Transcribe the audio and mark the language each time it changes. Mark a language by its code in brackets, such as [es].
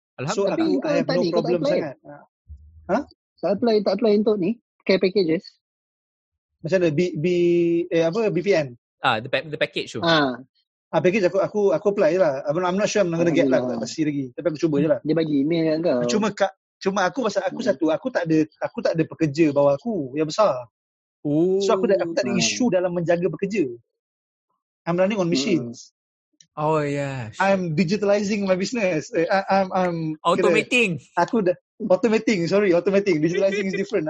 [ms] Alhamdulillah. So aku [en] have no problem [ms] sangat. Tak apply untuk ni care packages. Macam mana? BPN. The package tu. Package aku apply lah. [en] I'm not sure I'm going to get lah. [ms] Pasti lagi. Tapi aku cuba je lah. Dia bagi email kat kau. Cuma aku pasal aku satu, aku tak ada pekerja bawah aku yang besar. So aku tak ada isu dalam menjaga pekerja. [en] I'm running on machines. Oh yeah. I'm digitalizing my business. I'm automating. Automating. Digitalizing is different.